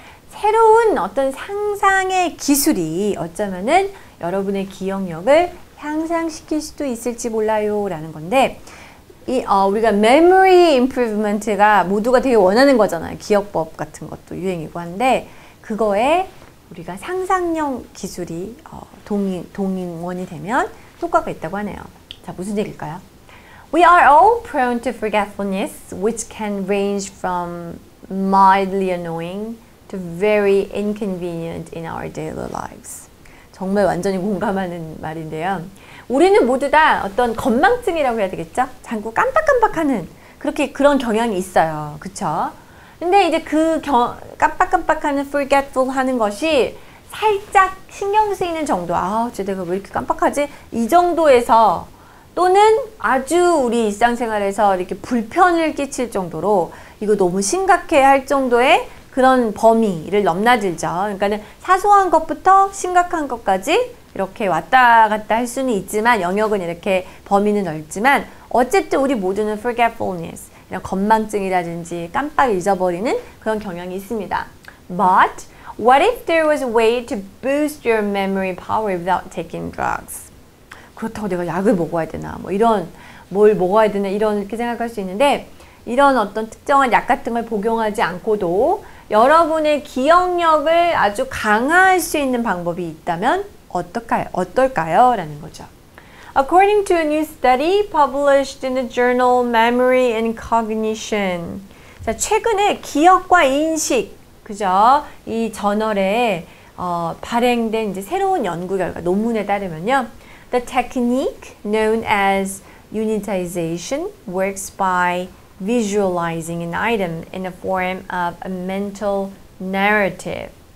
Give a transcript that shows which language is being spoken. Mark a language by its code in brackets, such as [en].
[ko] 새로운 어떤 상상의 기술이 어쩌면은 여러분의 기억력을 향상시킬 수도 있을지 몰라요 라는 건데 이 우리가 Memory Improvement가 모두가 되게 원하는 거잖아요. 기억법 같은 것도 유행이고 한데 그거에 우리가 상상력 기술이 동인원이 되면 효과가 있다고 하네요. 자, 무슨 얘기일까요? [en] We are all prone to forgetfulness, which can range from mildly annoying to very inconvenient in our daily lives. [ko] 정말 완전히 공감하는 말인데요. 우리는 모두 다 어떤 건망증이라고 해야 되겠죠? 자꾸 깜빡깜빡하는 그렇게 그런 경향이 있어요. 그쵸? 근데 이제 그 깜빡깜빡하는 forgetful 하는 것이 살짝 신경 쓰이는 정도 아우 쟤 내가 왜 이렇게 깜빡하지? 이 정도에서 또는 아주 우리 일상생활에서 이렇게 불편을 끼칠 정도로 이거 너무 심각해 할 정도의 그런 범위를 넘나들죠. 그러니까는 사소한 것부터 심각한 것까지 이렇게 왔다 갔다 할 수는 있지만 영역은 이렇게 범위는 넓지만 어쨌든 우리 모두는 forgetfulness 이런 건망증이라든지 깜빡 잊어버리는 그런 경향이 있습니다. [en] But what if there was a way to boost your memory power without taking drugs? [ko] 그렇다고 내가 약을 먹어야 되나 뭐 이런 뭘 먹어야 되나 이런 이렇게 생각할 수 있는데 이런 어떤 특정한 약 같은 걸 복용하지 않고도 여러분의 기억력을 아주 강화할 수 있는 방법이 있다면 어떨까요? 라는 거죠. [en] According to a new study published in the journal Memory and Cognition. [ko] 자, 최근에 기억과 인식, 그죠? 이 저널에 발행된 이제 새로운 연구 결과, 논문에 따르면요. [en] The technique known as unitization works by visualizing an item in the form of a mental narrative.